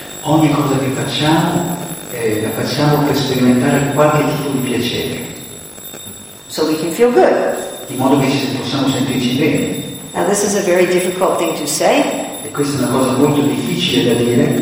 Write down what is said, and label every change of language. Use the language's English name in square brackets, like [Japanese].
[Italian] Ogni cosa che facciamo la facciamo per sperimentare qualche tipo di piacere. [English] So we can feel good. [Italian] In modo che ci possiamo sentirci bene. [English] Now this is a very difficult thing to say. [Italian] E questa è una cosa molto difficile da dire.